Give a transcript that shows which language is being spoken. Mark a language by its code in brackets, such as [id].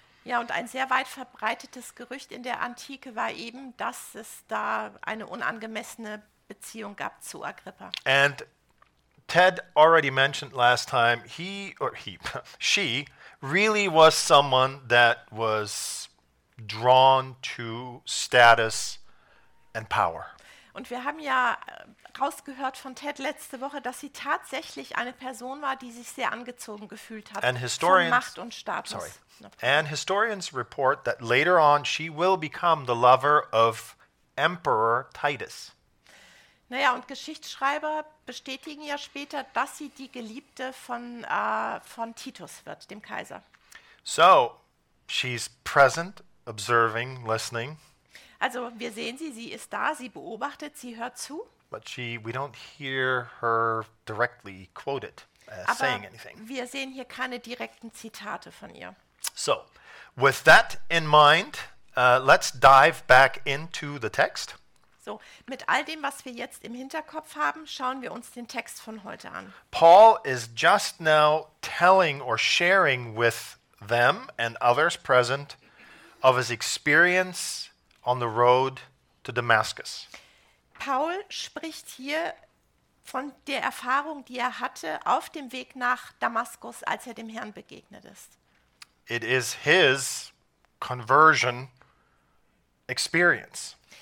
[de] Ja, und ein sehr weit verbreitetes Gerücht in der Antike war eben, dass es da eine unangemessene Beziehung gab zu Agrippa. [en] And Ted already mentioned last time, she really was someone that was drawn to status and power. [de] Und wir haben ja rausgehört von Ted letzte Woche, dass sie tatsächlich eine Person war, die sich sehr angezogen gefühlt hat von Macht und Status. [en] Sorry. And historians report that later on she will become the lover of Emperor Titus. [de] Naja, und Geschichtsschreiber bestätigen ja später, dass sie die Geliebte von Titus wird, dem Kaiser. [en] So, she's present, observing, listening. [de] Also, wir sehen sie, sie ist da, sie beobachtet, sie hört zu. [en] But we don't hear her directly quoted saying anything. [de] Aber wir sehen hier keine direkten Zitate von ihr. [en] So, with that in mind, let's dive back into the text. [de] So, mit all dem, was wir jetzt im Hinterkopf haben, schauen wir uns den Text von heute an. [en] Paul is just now telling or sharing with them and others present of his experience on the road to Damascus. [de] Paul spricht hier von der Erfahrung, die er hatte auf dem Weg nach Damaskus, als er dem Herrn begegnet ist. [en] It is his conversion experience.